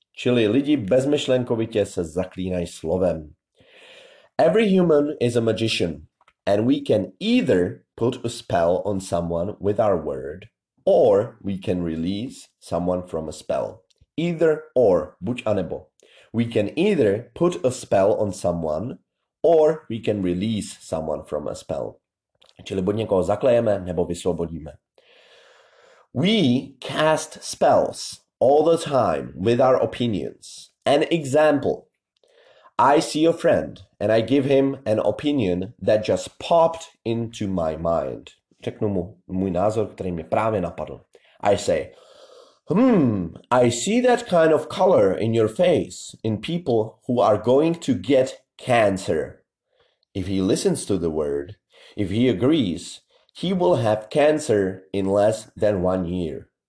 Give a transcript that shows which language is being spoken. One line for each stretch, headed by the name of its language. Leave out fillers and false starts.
Czech: Čili lidi bezmyšlenkovitě se zaklínají slovem.
English: Every human is a magician, and we can either put a spell on someone with our word, or we can release someone from a spell. Either or,
Czech: buď a nebo.
English: We can either put a spell on someone, or we can release someone from a spell.
Czech: Čili buď někoho zaklejeme, nebo vysvobodíme.
English: We cast spells, all the time with our opinions. An example. I see a friend and I give him an opinion that just popped into my mind.
Czech: Řeknu mu můj názor, který mě právě napadl.
English: I say, I see that kind of color in your face in people who are going to get cancer. If he listens to the word, if he agrees, he will have cancer in less than 1 year.